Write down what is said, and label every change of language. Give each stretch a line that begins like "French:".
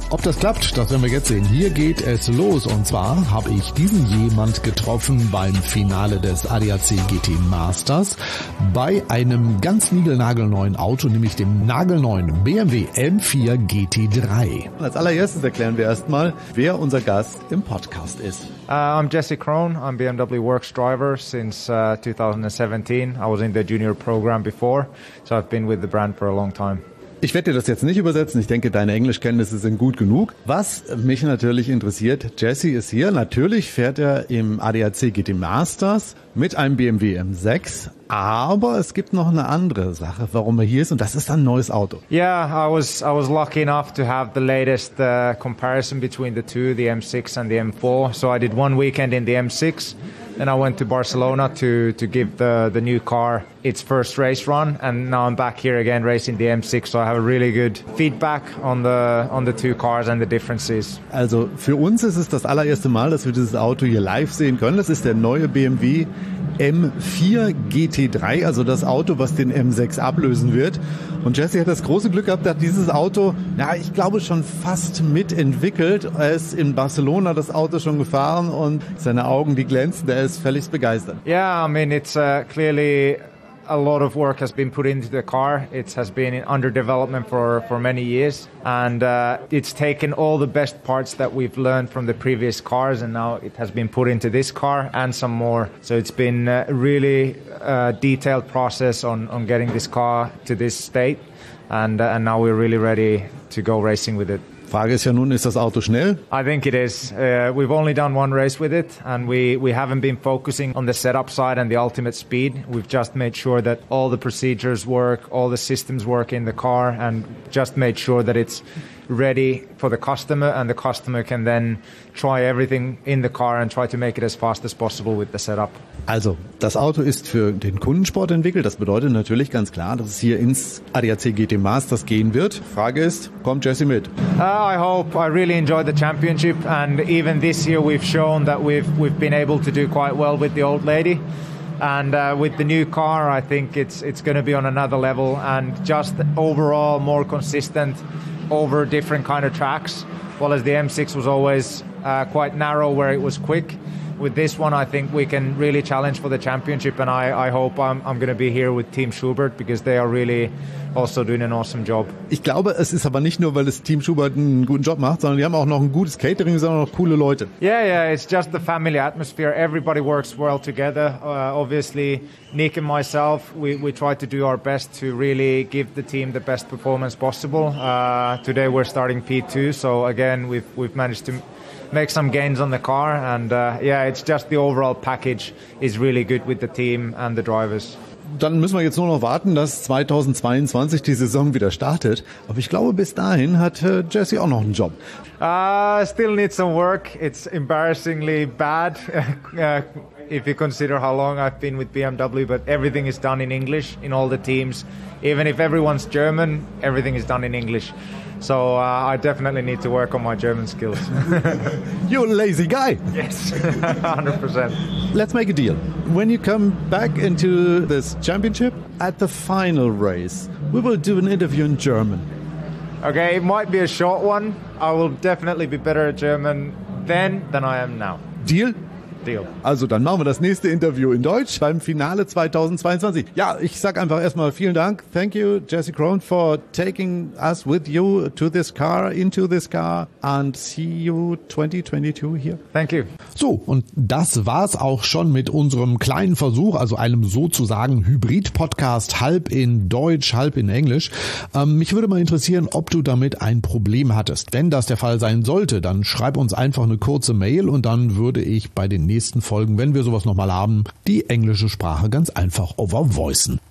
German: Ob das klappt, das werden wir jetzt sehen. Hier geht es los und zwar habe ich diesen jemand getroffen beim Finale des ADAC GT Masters bei einem ganz niegelnagelneuen Auto, nämlich dem nagelneuen BMW M4 GT3. Als allererstes erklären wir erstmal, wer unser Gast im Podcast ist.
English: I'm Jesse Krohn. I'm BMW Works driver since 2017. I was in the junior program before, so I've been with the brand for a long time.
German: Ich werde dir das jetzt nicht übersetzen. Ich denke, deine Englischkenntnisse sind gut genug. Was mich natürlich interessiert, Jesse ist hier. Natürlich fährt er im ADAC GT Masters mit einem BMW M6. Aber es gibt noch eine andere Sache, warum er hier ist, und das ist ein neues Auto.
English: Yeah, I was lucky enough to have the latest comparison between the two, the M6 and the M4. So I did one weekend in the M6, then I went to Barcelona to give the new car its first race run, and now I'm back here again racing the M6. So I have a really good feedback on the two cars and the differences.
German: Also für uns ist es das allererste Mal, dass wir dieses Auto hier live sehen können. Das ist der neue BMW M4 GT3, also das Auto, was den M6 ablösen wird. Und Jesse hat das große Glück gehabt, er hat dieses Auto, ja, ich glaube, schon fast mitentwickelt. Er ist in Barcelona das Auto schon gefahren und seine Augen, die glänzen, er ist völlig begeistert.
English: Yeah, I mean, it's clearly a lot of work has been put into the car. It has been under development for many years. And it's taken all the best parts that we've learned from the previous cars, and now it has been put into this car and some more. So it's been a really detailed process on getting this car to this state. And now we're really ready to go racing with it.
German: Frage ist ja nun, ist das Auto schnell?
English: I think it is. We've only done one race with it and we haven't been focusing on the setup side and the ultimate speed. We've just made sure that all the procedures work, all the systems work in the car and just made sure that it's ready for the customer and the customer can then try everything in the car and try to make it as fast as possible with the setup.
German: Also, das Auto ist für den Kundensport entwickelt. Das bedeutet natürlich ganz klar, dass es hier ins ADAC GT Masters gehen wird. Frage ist, kommt Jesse mit?
English: I hope. I really enjoyed the championship and even this year we've shown that we've been able to do quite well with the old lady. And with the new car, I think it's going to be on another level and just overall more consistent over different kind of tracks. Well, as the M6 was always quite narrow where it was quick, with this one I think we can really challenge for the championship, and I hope I'm going to be here with Team Schubert because they are really also doing an awesome job.
German: Ich glaube, es ist aber nicht nur, weil das Team Schubert einen guten Job macht, sondern die haben auch noch ein gutes Catering, sondern auch coole Leute.
English: Yeah, it's just the family atmosphere. Everybody works well together. Obviously, Nick and myself, we try to do our best to really give the team the best performance possible. Today we're starting P2, so again, we've managed to make some gains on the car, and it's just the overall package is really good with the team and the drivers.
German: Dann müssen wir jetzt nur noch warten, dass 2022 die Saison wieder startet. Aber ich glaube, bis dahin hat Jesse auch noch einen Job.
English: Still need some work. It's embarrassingly bad, if you consider how long I've been with BMW. But everything is done in English in all the teams. Even if everyone's German, everything is done in English. So I definitely need to work on my German skills. You're a lazy guy. Yes, 100%. Let's make a deal. When you come back into this championship, at the final race, we will do an interview in German. Okay, it might be a short one. I will definitely be better at German then than I am now. Deal? Deal.
German: Also dann machen wir das nächste Interview in Deutsch beim Finale 2022. Ja, ich sag einfach erstmal vielen Dank.
English: Thank you, Jesse Krohn, for taking us with you to this car, into this car, and see you 2022 here. Thank you.
German: So, und das war's auch schon mit unserem kleinen Versuch, also einem sozusagen Hybrid-Podcast, halb in Deutsch, halb in Englisch. Mich würde mal interessieren, ob du damit ein Problem hattest. Wenn das der Fall sein sollte, dann schreib uns einfach eine kurze Mail und dann würde ich bei den nächsten Folgen, wenn wir sowas nochmal haben, die englische Sprache ganz einfach overvoicen.